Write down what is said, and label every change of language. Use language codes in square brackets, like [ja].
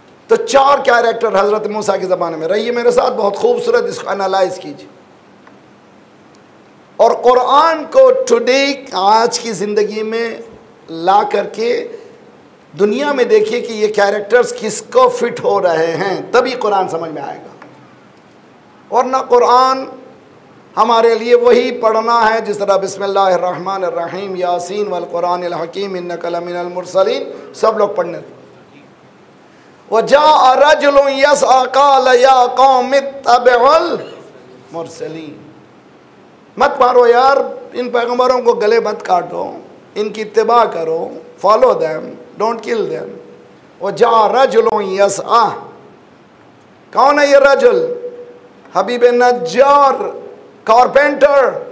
[ur] تو چار کیریکٹر حضرت موسیٰ کے زمانے میں، رہیے میرے ساتھ، بہت خوبصورت اس کو انالائز کیجیے اور قرآن کو ٹوڈے آج کی زندگی میں لا کر کے دنیا میں دیکھیے کہ یہ کیریکٹرز کس کو فٹ ہو رہے ہیں، تبھی قرآن سمجھ میں آئے گا. ورنہ قرآن ہمارے لیے وہی پڑھنا ہے جس طرح [ar] بسم اللہ الرحمن الرحیم، یاسین، والقرآن الحکیم، انک لمن المرسلین، [ur] سب لوگ پڑھنے تھے. [ar] وجاء رجل یسعى قال یا قوم اتبعوا المرسلین، [ur] مت مارو یار ان پیغمبروں کو گلے مت کاٹو ان کی اتباع کرو [en] follow them don't kill them [ur] وہ جا رجلوں یس آ کون ہے یہ رجل حبیب نجار کارپینٹر